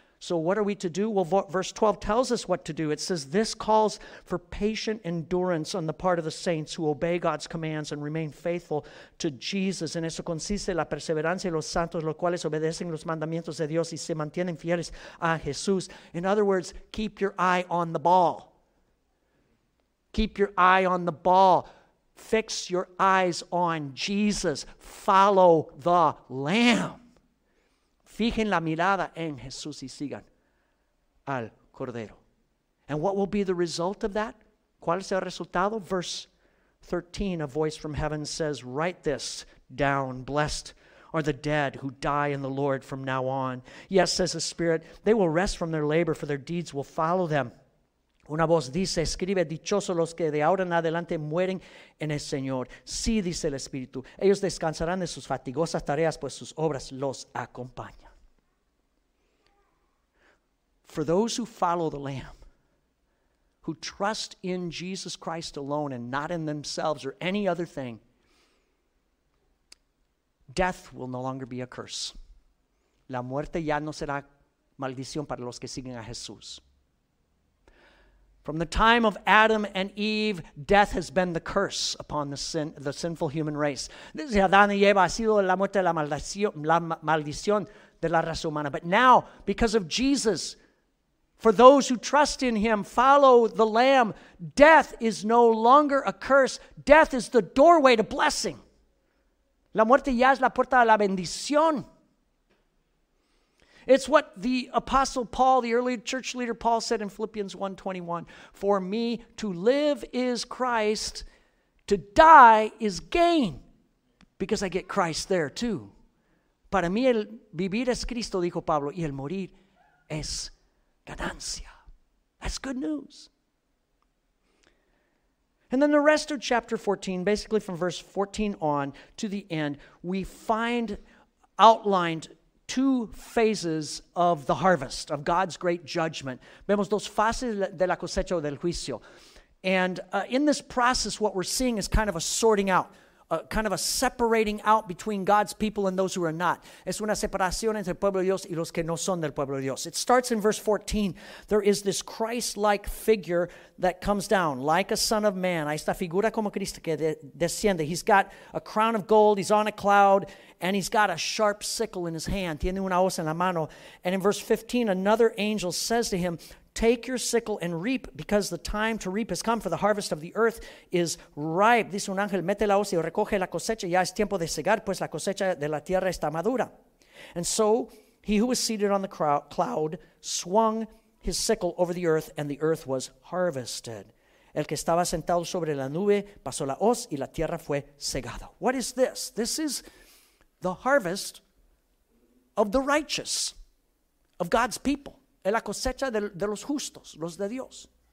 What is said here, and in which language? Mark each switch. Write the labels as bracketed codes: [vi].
[en] So what are we to do? Well, verse 12 tells us what to do. It says, this calls for patient endurance on the part of the saints who obey God's commands and remain faithful to Jesus. [es] En eso consiste la perseverancia de los santos, los cuales obedecen los mandamientos de Dios y se mantienen fieles a Jesús. [en] In other words, keep your eye on the ball. Keep your eye on the ball. Fix your eyes on Jesus. Follow the Lamb. [es] Fijen la mirada en Jesús y sigan al Cordero. [en] And what will be the result of that? [es] ¿Cuál es el resultado? [en] Verse 13, a voice from heaven says, write this down. Blessed are the dead who die in the Lord from now on. Yes, says the Spirit, they will rest from their labor, for their deeds will follow them. [es] Una voz dice, escribe, dichosos los que de ahora en adelante mueren en el Señor. Sí, dice el Espíritu, ellos descansarán de sus fatigosas tareas, pues sus obras los acompañan. [en] For those who follow the Lamb, who trust in Jesus Christ alone and not in themselves or any other thing, death will no longer be a curse. [es] La muerte ya no será maldición para los que siguen a Jesús. [en] From the time of Adam and Eve, death has been the curse upon the sinful human race. [es] Desde Adán y Eva ha sido la muerte, la maldición de la raza humana. [en] But now, because of Jesus, for those who trust in Him, follow the Lamb, death is no longer a curse. Death is the doorway to blessing. [es] La muerte ya es la puerta a la bendición. [en] It's what the Apostle Paul, the early church leader Paul, said in Philippians 1:21. For me to live is Christ, to die is gain, because I get Christ there too. [es] Para mí el vivir es Cristo, dijo Pablo, y el morir es ganancia. [en] That's good news. And then the rest of chapter 14, basically from verse 14 on to the end, we find outlined two phases of the harvest, of God's great judgment. [es] Vemos dos fases de la cosecha o del juicio. [en] And in this process, what we're seeing is kind of a sorting out. kind of a separating out between God's people and those who are not. [es] Es una separación entre el pueblo de Dios y los que no son del pueblo de Dios. [en] It starts in verse 14. There is this Christ-like figure that comes down, like a son of man. [es] Hay esta figura como Cristo que desciende. [en] He's got a crown of gold, he's on a cloud, and he's got a sharp sickle in his hand. [es] Tiene una hoz en la mano. [en] And in verse 15, another angel says to him, take your sickle and reap, because the time to reap has come, for the harvest of the earth is ripe. [es] Dice un ángel, mete la hoz y recoge la cosecha, ya es tiempo de segar, pues la cosecha de la tierra está madura. [en] And so he who was seated on the cloud swung his sickle over the earth, and the earth was harvested. [es] El que estaba sentado sobre la nube pasó la hoz y la tierra fue segada. [en] What is this? This is the harvest of the righteous, of God's people. [es] La cosecha de los justos, los de Dios.